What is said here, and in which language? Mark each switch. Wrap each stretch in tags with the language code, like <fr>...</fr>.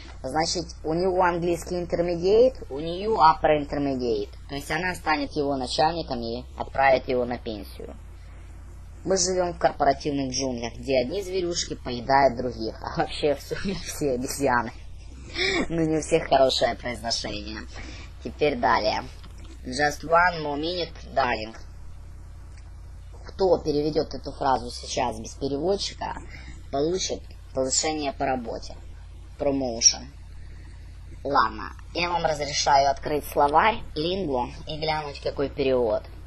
<ru>Значит, у него английский intermediate, у нее upper intermediate. То есть она станет его начальником и отправит его на пенсию. Мы живем в корпоративных джунглях, где одни зверюшки поедают других. А вообще все обезьяны. Но не у всех хорошее произношение. Теперь далее.</ru> <en>Just one more minute, darling.</en> <ru>Кто переведет эту фразу сейчас без переводчика, получит повышение по работе. Промоушен. Ладно, я вам разрешаю открыть словарь, лингву и глянуть, какой перевод.</ru>